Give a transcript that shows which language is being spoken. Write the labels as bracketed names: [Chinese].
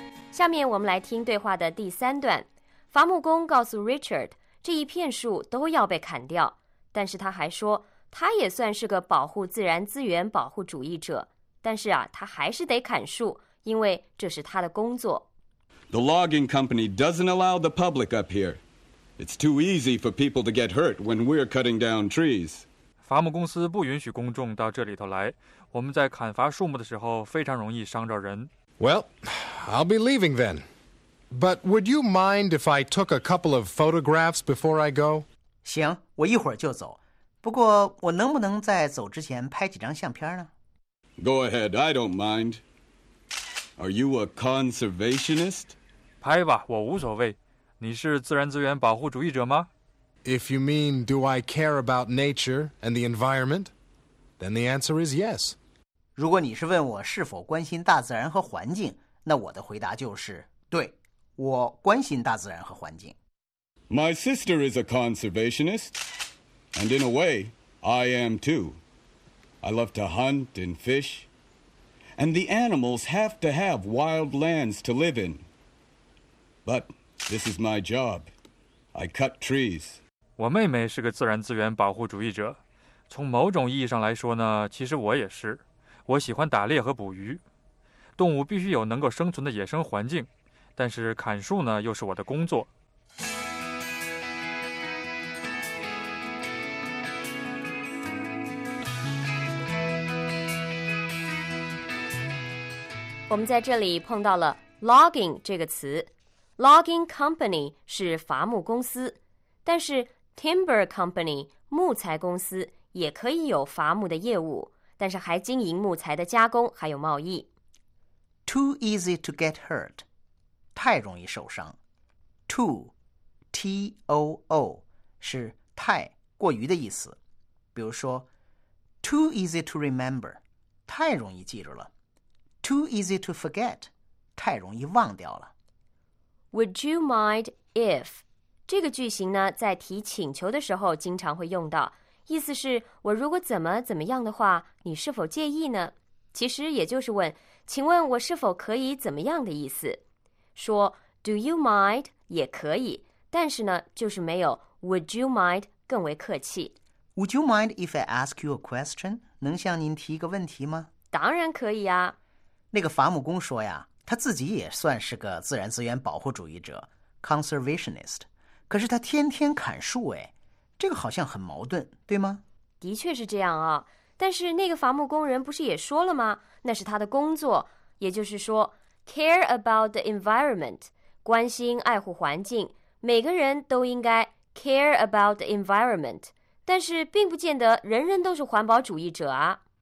[Chinese] 下面我们来听对话的第三段。伐木工告诉 Richard， 这一片树都要被砍掉，但是他还说他也算是个保护自然资源保护主义者，但是啊他还是得砍树，因为这是他的工作。 [English] The logging company doesn't allow the public up here. It's too easy for people to get hurt when we're cutting down trees. [Chinese] 伐木公司不允许公众到这里头来，我们在砍伐树木的时候非常容易伤着人。 [English] Well, I'll be leaving then. But would you mind if I took a couple of photographs before I go? [Chinese] 行，我一会儿就走。不过我能不能在走之前拍几张相片呢？ [English] Go ahead, I don't mind. Are you a conservationist? [Chinese] 拍吧，我无所谓。你是自然资源保护主义者吗？ [English] If you mean do I care about nature and the environment, then the answer is yes. [Chinese] 如果你是问我是否关心大自然和环境，那我的回答就是对，我关心大自然和环境。 [English] My sister is a conservationist, and in a way, I am too. I love to hunt and fish, and the animals have to have wild lands to live in. But this is my job. I cut trees. [Chinese] 我妹妹是个自然资源保护主义者，从某种意义上来说呢，其实我也是。我喜欢打猎和捕鱼，动物必须有能够生存的野生环境，但是砍树呢，又是我的工作。我们在这里碰到了 logging 这个词。logging company 是伐木公司，但是 timber company 木材公司也可以有伐木的业务，但是还经营木材的加工还有贸易。 [English] Too easy to get hurt， [Chinese] 太容易受伤。 [English] Too T-O-O [Chinese] 是太过于的意思，比如说 [English] Too easy to remember， [Chinese] 太容易记住了。 [English] Too easy to forget， [Chinese] 太容易忘掉了。 [English] Would you mind if [Chinese] 这个句型呢，在提请求的时候经常会用到，意思是我如果怎么怎么样的话，你是否介意呢？其实也就是问，请问我是否可以怎么样的意思。说 [English] Do you mind [Chinese] 也可以，但是呢，就是没有 [English] Would you mind [Chinese] 更为客气。 [English] Would you mind if I ask you a question? [Chinese] 能向您提一个问题吗？当然可以啊。那个伐木工说呀，他自己也算是个自然资源保护主义者 Conservationist， 可是他天天砍树，哎，这个好像很矛盾，对吗？的确是这样啊。但是那个伐木工人不是也说了吗？那是他的工作，也就是说 [English] care about the environment， [Chinese] 关心爱护环境，每个人都应该 [English] care about the environment， [Chinese] 但是并不见得人人都是环保主义者啊。